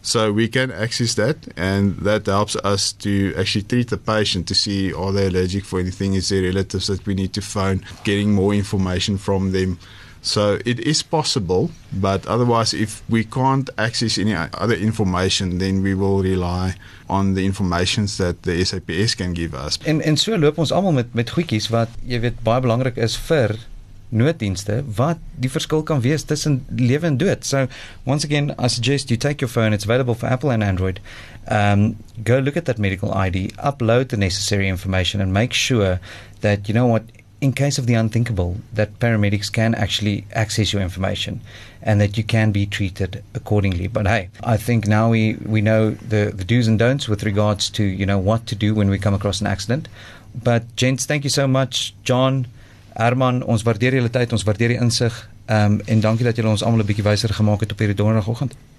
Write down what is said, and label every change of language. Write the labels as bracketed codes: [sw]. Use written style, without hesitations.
[en] So we can access that, and that helps us to actually treat the patient to see, are they allergic for anything? Is there relatives that we need to phone? Getting more information from them. So it is possible, but otherwise, if we can't access any other information, then we will rely on the information that the SAPS can give us. [af] En so loop ons allemaal met goedkies wat, jy weet, baie belangrijk is vir nooddienste, wat die verskil kan wees tussen lewe en dood. [en] So, once again, I suggest you take your phone, it's available for Apple and Android, go look at that medical ID, upload the necessary information, and make sure that, you know what, in case of the unthinkable, that paramedics can actually access your information and that you can be treated accordingly. But hey, I think now we know the do's and don'ts with regards to, you know, what to do when we come across an accident. But gents, thank you so much. [af] John, Herman, ons waardeer julle tyd, ons waardeer die insig, en dankie dat julle ons allemaal 'n bietjie wyser gemaak het op hierdie donderdagoggend.